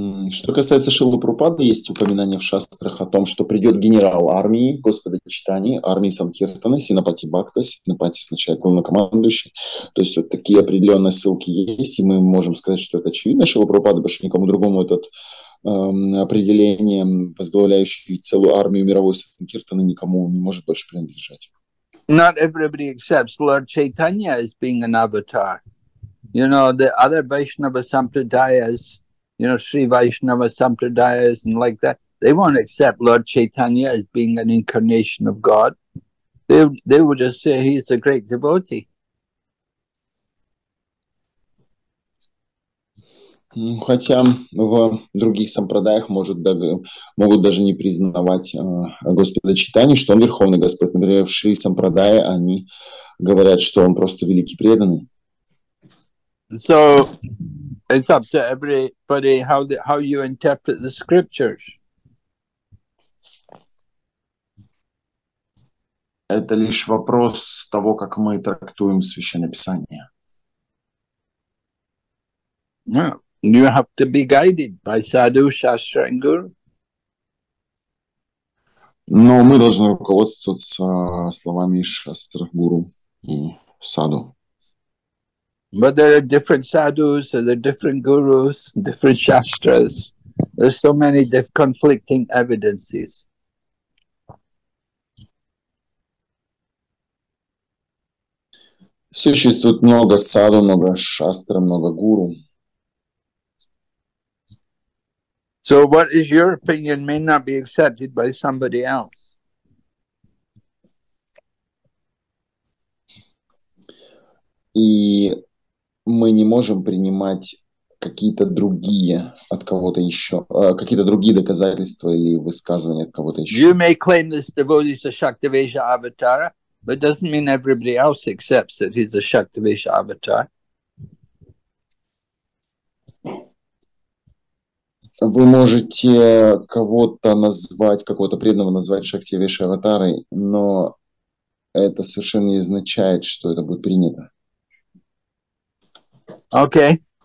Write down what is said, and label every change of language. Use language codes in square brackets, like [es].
[ru] Что касается Шрилы Прабхупады, есть упоминание в шастрах о том, что придет генерал армии Господа Чайтаньи, армии Санкиртаны, Сенапати Бхакта, Сенапати означает главнокомандующий. То есть вот такие определенные ссылки есть, и мы можем сказать, что это очевидно Шрилы Прабхупады, больше никому другому это определение, возглавляющий целую армию мировой Санкиртаны, никому не может больше принадлежать. [en] Not everybody accepts Lord Chaitanya as being an avatar. You know, the other Vaishnava Sampradayas, you know, Sri Vaishnava Sampradayas and like that, they won't accept Lord Chaitanya as being an incarnation of God. They will just say he's a great devotee. [ru] Хотя в других сампрадаях может, да, могут даже не признавать Господа Чайтанью, что он Верховный Господь. Например, в Шри Сампрадае они говорят, что он просто великий преданный. [en] So, it's up to everybody how you interpret the scriptures. [ru] Это лишь вопрос того, как мы трактуем Священное Писание. [en] Yeah. You have to be guided by Sadhu, Shastra and Guru. [ru] Но мы должны руководствоваться словами Шастра, Гуру и Саду. [en] But there are different sadhus, and there are different gurus, different shastras. There's so many conflicting evidences. [ru] Существует много саду, много шастр, много гуру. [en] So what is your opinion may not be accepted by somebody else. [ru] Мы не можем принимать какие-то другие от кого-то еще, какие-то другие доказательства или высказывания от кого-то еще. [en] You may claim this devotee is a Shaktivesha avatar, but it doesn't mean everybody else accepts that he's a Shaktivesha avatar. [ru] Вы можете кого-то назвать, какого-то преданного назвать Шактивеша аватарой, но это совершенно не означает, что это будет принято. [en] Okay.